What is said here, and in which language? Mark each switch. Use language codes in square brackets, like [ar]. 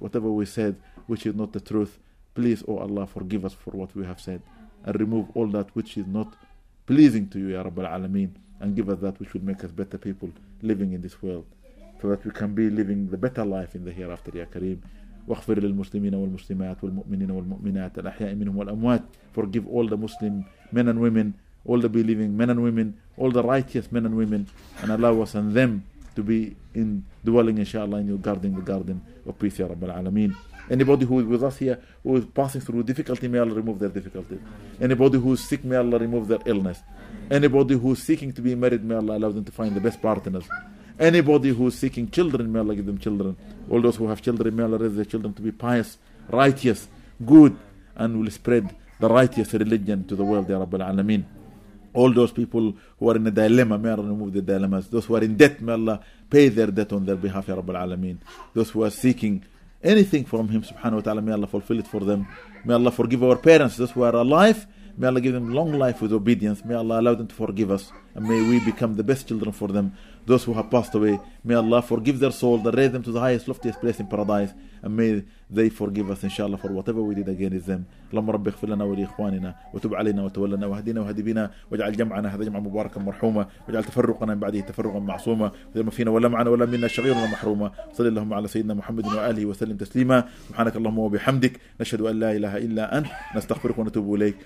[en] Whatever we said, which is not the truth, please, O Allah, forgive us for what we have said and remove all that which is not pleasing to you, Ya Rabbil Alameen, and give us that which would make us better people living in this world, so that we can be living the better life in the hereafter, Ya Kareem. [ar] واغفر للمسلمين والمسلمات والمؤمنين والمؤمنات الأحياء منهم والأموات. [en] Forgive all the Muslim men and women, all the believing men and women, all the righteous men and women, and allow us and them to be in dwelling, inshallah, in your garden, the garden of peace, Ya Rabbil Alameen. Anybody who is with us here, who is passing through difficulty, may Allah remove their difficulties. Anybody who is sick, may Allah remove their illness. Anybody who is seeking to be married, may Allah allow them to find the best partners. Anybody who is seeking children, may Allah give them children. All those who have children, may Allah raise their children to be pious, righteous, good, and will spread the righteous religion to the world, Ya Rabbil Alameen. All those people who are in a dilemma, may Allah remove the dilemmas. Those who are in debt, may Allah pay their debt on their behalf, Ya Rabbil Alameen. Those who are seeking anything from Him, subhanahu wa ta'ala, may Allah fulfill it for them. May Allah forgive our parents, those who are alive. May Allah give them long life with obedience. May Allah allow them to forgive us. And may we become the best children for them. Those who have passed away, may Allah forgive their soul and raise them to the highest, loftiest place in paradise. And may they forgive us, inshallah, for whatever we did against them. [ar] اللهم رب اغفر لنا ولإخواننا وتب علينا وتولنا وهدينا وهدي بنا واجعل جمعنا هذا جمع مباركا مرحوما واجعل تفرقنا من بعده تفرقا معصوما وما فينا ولا معنا ولا منا شغير ولا محروما. صلى اللهم على سيدنا محمد وآله وسلم تسليما. سبحانك اللهم وبحمدك نشهد أن لا إله إلا أنت نستغفرك ونتوب إليك.